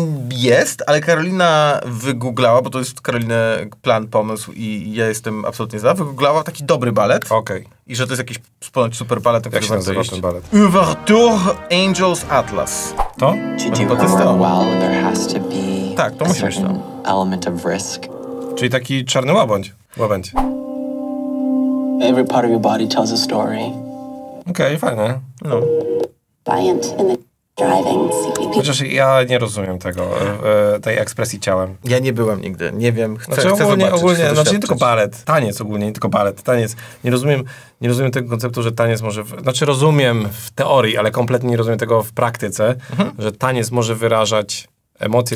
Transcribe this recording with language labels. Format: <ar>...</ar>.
<pl>Jest, ale Karolina wygooglała, bo to jest Karolina plan, pomysł i ja jestem absolutnie za. Wygooglała taki dobry balet. Okej. I że to jest jakiś ponoć super balet, jak się nazywa ten balet? Ouverture Angels Atlas. To? Bo to jest to. Tak, to musi być to. Element of</pl> <en>risk.</en> <pl>Czyli taki czarny łabędź. Łabędź.</pl> <en>Every part of your body tells a story.</en> <pl>Okej, okay, fajne.</pl> <en>No. Buoyant in the driving seat.</en> <pl>Chociaż ja nie rozumiem tego, tej ekspresji ciałem. Ja nie byłem nigdy, nie wiem, chcę zobaczyć, znaczy nie tylko balet, taniec ogólnie, nie tylko balet, taniec. Nie rozumiem tego konceptu, że taniec może... Znaczy rozumiem w teorii, ale kompletnie nie rozumiem tego w praktyce, że taniec może wyrażać emocje</pl>